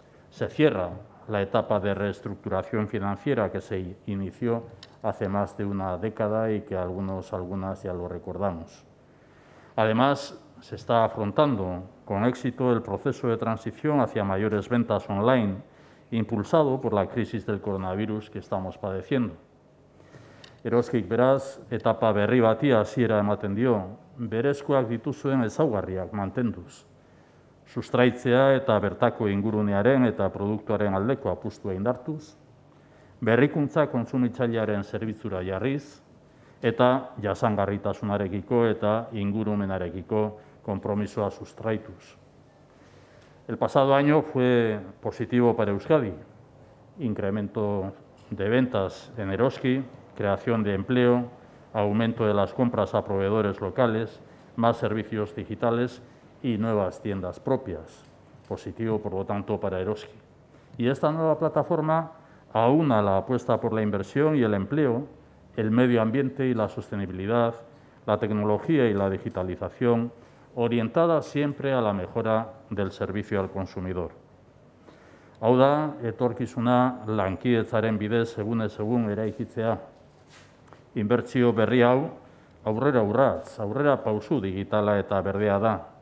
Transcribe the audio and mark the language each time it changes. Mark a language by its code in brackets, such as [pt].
[es] Se cierra la etapa de reestructuración financiera que se inició hace más de una década y que algunas ya lo recordamos. Además, se está afrontando con éxito el proceso de transición hacia mayores ventas online, impulsado por la crisis del coronavirus que estamos padeciendo. [eu] Eroskik beraz, etapa berri bati hasiera ematen dio, berezkoak dituzuen ezaugarriak mantenduz. Sustraitzea eta bertako ingurunearen eta produktuaren aldeko apustua indartuz, berrikuntza kontsumitzailearen zerbitzura jarriz, eta jasangarritasunarekiko eta ingurumenarekiko konpromisoa sustraituz. [es] El pasado año fue positivo para Euskadi, incremento de ventas en Eroski, creación de empleo, aumento de las compras a proveedores locales, más servicios digitales y nuevas tiendas propias. Positivo, por lo tanto, para Eroski. Y esta nueva plataforma aúna la apuesta por la inversión y el empleo, el medio ambiente y la sostenibilidad, la tecnología y la digitalización, orientada siempre a la mejora del servicio al consumidor. [eu] Hau da, etorkizuna lankidetzaren bidez, egunez egun eraikitzea. Inbertsio berri hau, aurrera urrats, aurrera pausu digitala eta berdea da.